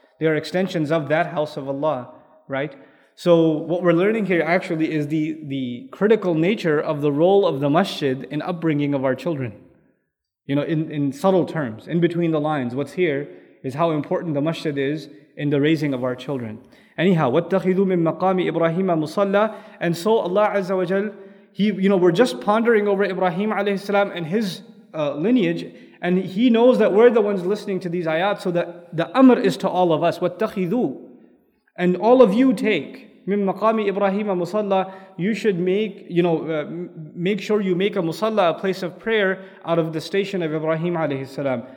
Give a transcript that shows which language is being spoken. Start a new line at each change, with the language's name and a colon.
English: They are extensions of that house of Allah, right? So what we're learning here actually is the critical nature of the role of the masjid in upbringing of our children. You know, in subtle terms, in between the lines, what's here is how important the masjid is in the raising of our children.
Arabic: Anyhow, وَاتَّخِذُوا مِن مَقَامِ إِبْرَاهِيمَ مُصَلَّى.
English: And so Allah Azza wa Jal, we're just pondering over Ibrahim alayhi salam and his lineage, and he knows that we're the ones listening to these ayat, so that the amr is to all of us, وَاتَّخِذُوا, and all of you take,
Arabic: مِن مَقَامِ إِبْرَاهِيمَ مُصَلَّى,
English: you should make sure you make a musalla, a place of prayer, out of the station of Ibrahim alayhi salam.